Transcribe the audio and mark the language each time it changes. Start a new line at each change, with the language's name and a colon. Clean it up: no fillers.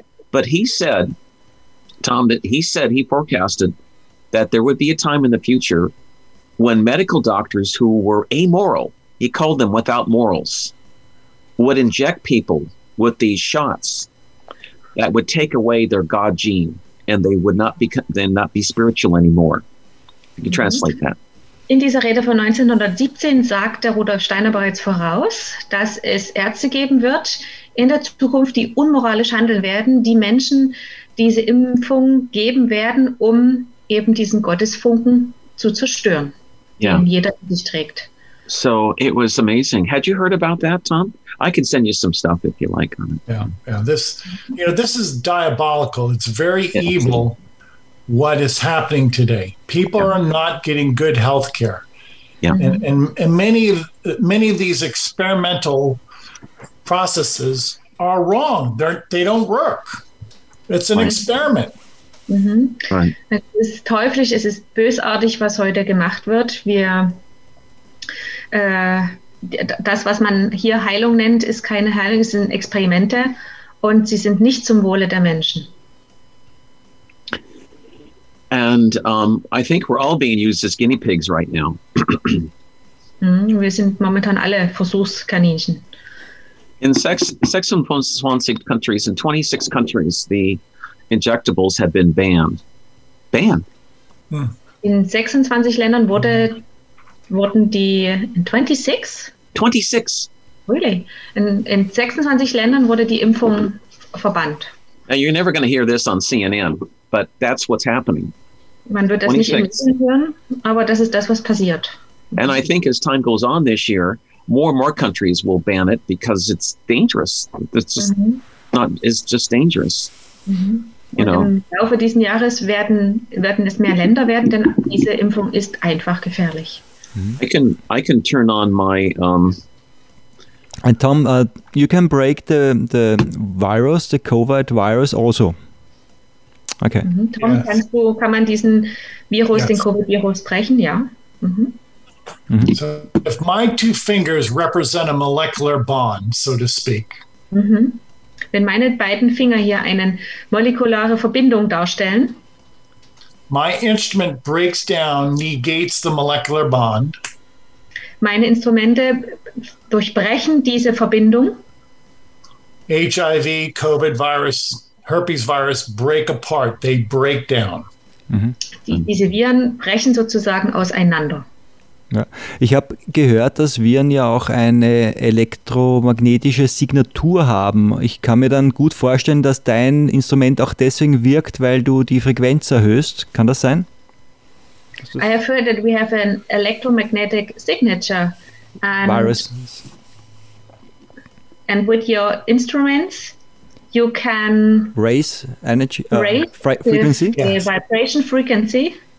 English: But he said, Tom, that he said he forecasted that there would be a time in the future when medical doctors who were amoral, he called them without morals, would inject people with these shots that would take away their God gene, and they would not be then not be spiritual anymore. You can translate that.
German: In dieser Rede von 1917 sagte Rudolf Steiner bereits voraus, dass es Ärzte geben wird in der Zukunft, die unmoralisch handeln werden, die Menschen diese Impfung geben werden, um eben diesen Gottesfunken zu zerstören, den jeder in sich trägt.
English: So it was amazing. Had you heard about that, Tom? I can send you some stuff if you like on it. Yeah. This, you know, this is diabolical. It's very evil what is happening today. People are not getting good health care. And many of these experimental processes are wrong. They don't work. It's an experiment. Right.
German: Es ist teuflisch, es ist bösartig, was heute gemacht wird. Wir das, was man hier Heilung nennt, ist keine Heilung, es sind Experimente und sie sind nicht zum Wohle der Menschen.
English: And I think we're all being used as guinea pigs right now.
German: Wir sind momentan alle Versuchskaninchen.
English: In 26 countries, in 26 countries, the injectables have been banned. Banned.
German: In 26 Ländern wurden die, in 26? 26.
English: Really?
German: In 26 Ländern wurde die Impfung verbannt.
English: And you're never going to hear this on CNN, but that's what's happening.
German: Man wird das 26. nicht im Fernsehen hören, aber das ist das, was passiert.
English: And I think as time goes on this year, more and more countries will ban it because it's dangerous. It's just not, it's just dangerous.
German: Im Laufe dieses Jahres werden es mehr Länder werden, denn diese Impfung ist einfach gefährlich.
English: I can turn on my And Tom, you can break the virus, the COVID virus also. Okay.
German: Tom, kann man diesen Virus, den COVID-Virus brechen? Ja.
English: So if my two fingers represent a molecular bond, so to speak.
German: Wenn meine beiden Finger hier eine molekulare Verbindung darstellen.
English: My instrument breaks down, negates the molecular bond.
German: Meine Instrumente durchbrechen diese Verbindung.
English: HIV, COVID virus, herpes virus break apart, they break down.
German: Diese Viren brechen sozusagen auseinander. Ja. Ich habe gehört, dass Viren ja auch eine elektromagnetische Signatur haben. Ich kann mir dann gut vorstellen, dass dein Instrument auch deswegen wirkt, weil du die Frequenz erhöhst. Kann das sein?
English: I have heard that we have an electromagnetic signature. Virus. And with your instruments, you can raise energy, frequency? Yes. Vibration frequency.